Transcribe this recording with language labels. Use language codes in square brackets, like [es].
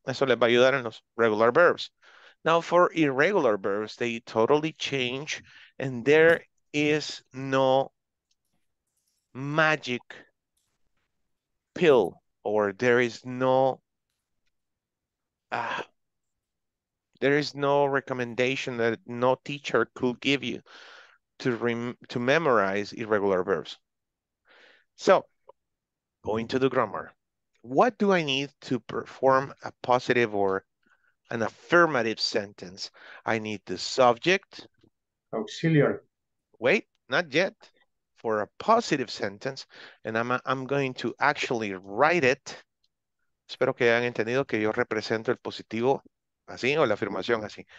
[es] Eso les va a ayudar en los [en] regular verbs. Now for irregular verbs, they totally change and there is no magic pill, or there is no recommendation that no teacher could give you to memorize irregular verbs. So, going to the grammar, what do I need to perform a positive or an affirmative sentence? I need the subject. Auxiliary. Wait, not yet. For a positive sentence, and I'm going to actually write it. [es] Espero que hayan entendido que yo represento el positivo así o la afirmación así.